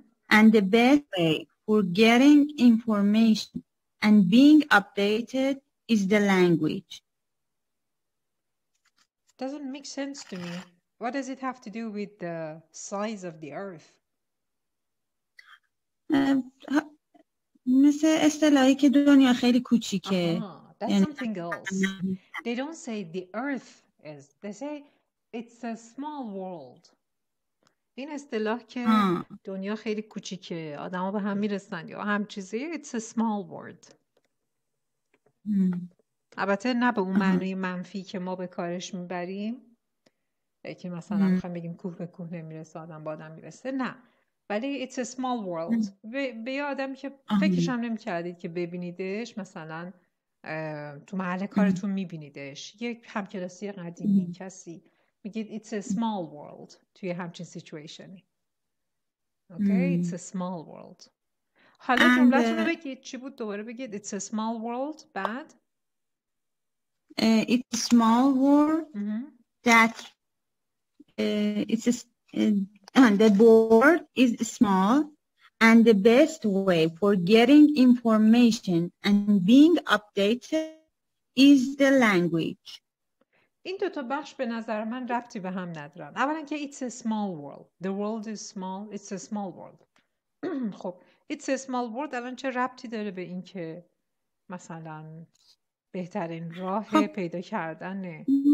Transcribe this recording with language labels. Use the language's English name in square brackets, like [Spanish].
[English] And the best way for getting information and being updated is the language. doesn't make sense to me. What does it have to do with the size of the earth? [Persian] مثل اصطلاحی که دنیا خیلی کوچیکه. [English] That's something else. They don't say the earth is. They say it's a small world. [Persian] این اصطلاح که دنیا خیلی کوچیکه، آدم ها به هم میرسن یا هم چیزی، [English] it's a small world. [Persian] البته نه به اون معنی منفی که ما به کارش میبریم، که مثلا خواهیم بگیم کوه به کوه نمیرسه، آدم با آدم میرسه، نه. ولی [English] it's a small world. [Persian] به یه آدمی که فکرش هم نمیکردید که ببینیدش، مثلا تو محل کارتون میبینیدش، یک همکلاسی قدیمی کسی، میگید [English] it's a small world [Persian] توی همچین سیچویشنی. [English] Okay, it's a small world. [Persian] حالا جملتون رو بگید، چی بود دوباره بگید؟ [English] It's a small world, bad? It's a small world that it's a the board is small, and the best way for getting information and being updated is the language. [Persian] این دو تا بخش به نظر من ربطی به هم ندارن. اولا که [English] it's a small world. The world is small. It's a small world. [Persian] خب [English] it's a small world [Persian] الان چه ربطی داره به این که مثلا بهترین راه پیدا کردن